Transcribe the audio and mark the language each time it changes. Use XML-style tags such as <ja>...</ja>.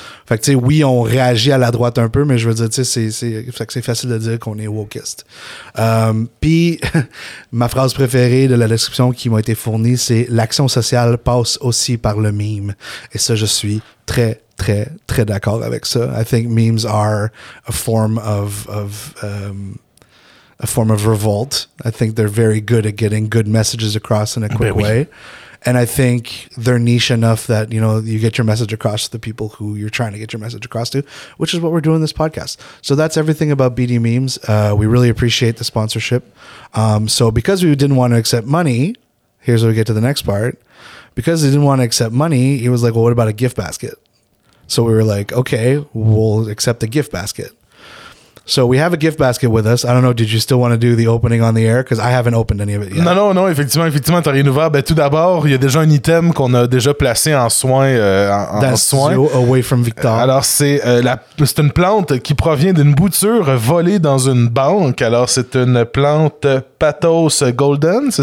<fr>Fait que, tu sais, oui, on réagit à la droite un peu, mais je veux dire, tu sais, fait que c'est facile de dire qu'on est wokeist. Puis, ma phrase préférée de la description qui m'a été fournie, c'est « L'action sociale passe aussi par le mime. » Et ça, je suis très, très, très d'accord avec ça.</fr> <en>I think memes are a form of revolt. I think they're very good at getting good messages across in a quick way. And I think they're niche enough that, you know, you get your message across to the people who you're trying to get your message across to, which is what we're doing in this podcast. So that's everything about BD Memes. We really appreciate the sponsorship. So because we didn't want to accept money, here's where we get to the next part. Because they didn't want to accept money, he was like, well, what about a gift basket? So we were like, okay, we'll accept the gift basket. So we have a gift basket with us. I don't know, did you still want to do the opening on the air? Because I haven't opened any of it yet.</en> <fr>Non, non, non, effectivement, effectivement, t'as rien ouvert. Ben, tout d'abord, il y a déjà un item qu'on a déjà placé en soin. Dans le soin.</fr> <en>Studio away from Victor.</en> <fr>Alors, c'est une plante qui provient d'une bouture volée dans une banque. Alors, c'est une plante Pathos Golden, c'est</fr>